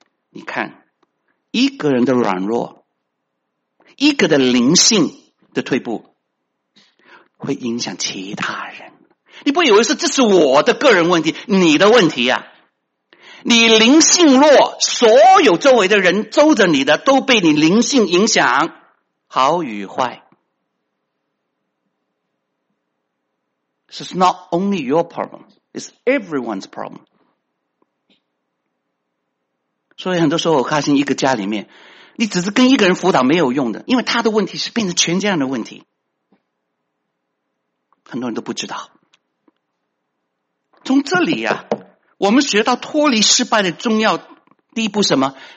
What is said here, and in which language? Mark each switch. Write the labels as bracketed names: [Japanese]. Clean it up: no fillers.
[Chinese] 你看，一个人的软弱，一个的灵性的退步，会影响其他人。你不以为是这是我的个人问题，你的问题啊，你灵性弱，所有周围的人周着你的都被你灵性影响，好与坏。 [English] This is not only your problem, it's everyone's problem. [Chinese] 所以很多时候我发现一个家里面，你只是跟一个人辅导没有用的，因为他的问题是变成全家人的问题。很多人都不知道。从这里啊，我们学到脱离失败的重要第一步什么？